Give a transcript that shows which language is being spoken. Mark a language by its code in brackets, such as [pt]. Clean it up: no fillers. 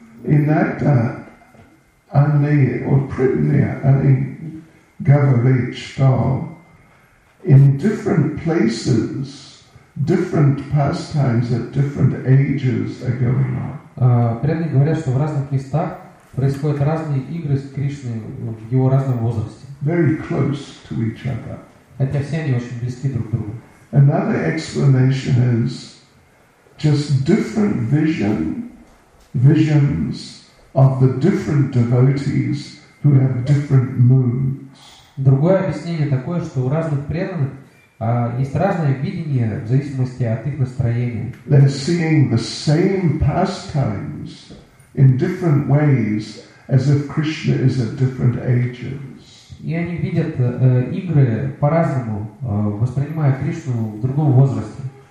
[ru] Иногда они, вот примерно, они говорят, что [en] in different places, different pastimes at different ages are going on. [ru] Преданные говорят, что в разных местах происходят разные игры с Кришной в его разном возрасте. [en] Very close to each other. [ru] Хотя все они очень близки друг к другу. [en] Another explanation is just different visions of the different devotees who have different moods. [ru] Другое объяснение такое, что у разных преданных есть разное видение в зависимости от их настроения. [en] They're seeing the same pastimes in different ways, as if Krishna is at different ages. [ru] И они видят игры по-разному, воспринимая Кришну в другом возрасте.